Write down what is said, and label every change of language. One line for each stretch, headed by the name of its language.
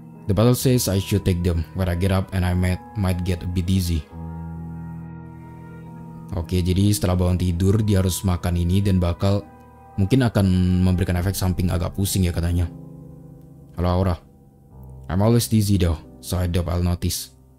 English: The battle says I should take them when I get up and I might get a bit dizzy.
Indonesian: Oke, jadi setelah bangun tidur dia harus makan ini dan bakal mungkin akan memberikan efek samping agak pusing ya katanya. Halo Aura.
English: I'm always dizzy though, so I doubt I'll notice.